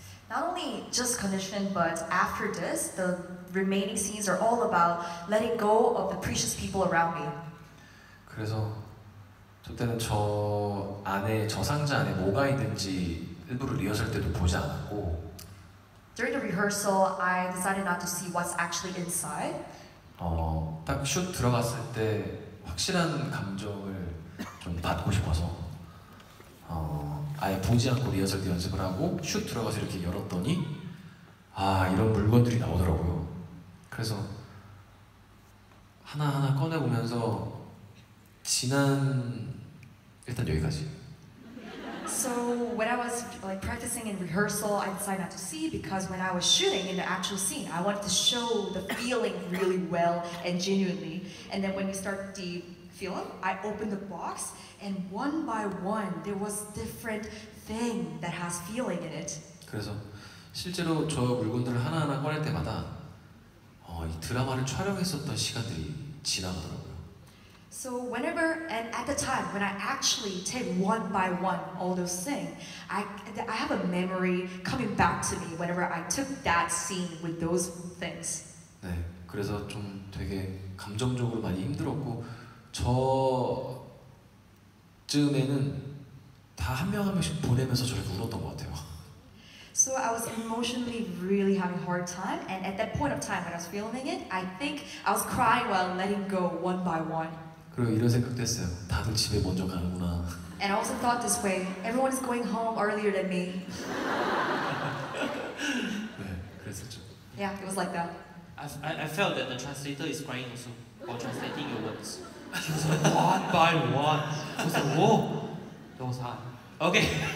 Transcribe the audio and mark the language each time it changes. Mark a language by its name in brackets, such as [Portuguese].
[English] Not only just condition, but after this, the remaining scenes are all about letting go of the precious people around me. [Korean] 그래서 저 때는 저 안에 저 상자 안에 뭐가 있는지 일부러 리허설 때도 보지 않았고. [English] During the rehearsal, I decided not to see what's actually inside. [Korean] 딱 슛 들어갔을 때 확실한 감정을 좀 받고 싶어서 아예 보지 않고 리허설 때 연습을 하고 슛 들어가서 이렇게 열었더니 아, 이런 물건들이 나오더라고요. 그래서 하나하나 꺼내보면서 지난 일단 여기까지. [English] So when I was like practicing in rehearsal, I decided not to see because when I was shooting in the actual scene, I wanted to show the feeling really well and genuinely. And then when we start the film, I opened the box and one by one, there was different thing that has feeling in it. [Korean] 그래서 실제로 저 물건들을 하나하나 꺼낼 때마다 이 드라마를 촬영했었던 시간들이 지나가더라고요. [English] So whenever and at the time when I actually take one by one all those things, I have a memory coming back to me whenever I took that scene with those things. [Korean] 네, 그래서 좀 되게 감정적으로 많이 힘들었고 저 쯤에는 다 한 명 한 명씩 보내면서 저렇게 울었던 것 같아요. [English] So I was emotionally really having a hard time, and at that point of time when I was filming it, I think I was crying while letting go one by one. [Korean] 그리고 이런 생각도 했어요. 다들 집에 먼저 가는구나. [English] And I also thought this way. Everyone is going home earlier than me. [Korean] 네, 그랬었죠. [English] Yeah, it was like that. I felt that the translator is crying also while translating your words. She was like, what by what? I was like, whoa. That was hard. Okay.